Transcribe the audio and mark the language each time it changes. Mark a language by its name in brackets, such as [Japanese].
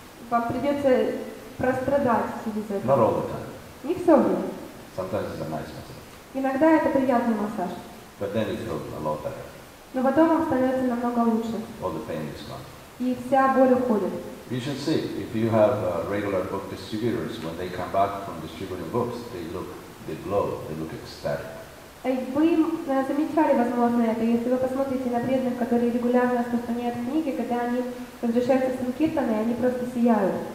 [Russian] Вам придется прострадать через это. [English] Not all the time. [Russian] Не все время. [English] Sometimes it's a nice massage. [Russian] Иногда это приятный массаж. [English] But then it feels a lot better. [Russian] Но потом вам становится намного лучше. [English] All the pain is gone. [Russian] И вся боль уходит. [English] You should see, if you have regular book distributors, when they come back from distributing books, they look, they glow, they look ecstatic. [Russian] Вы замечали, возможно, это, если вы посмотрите на преданных, которые регулярно распространяют книги, когда они возвращаются с санкиртаны, они просто сияют.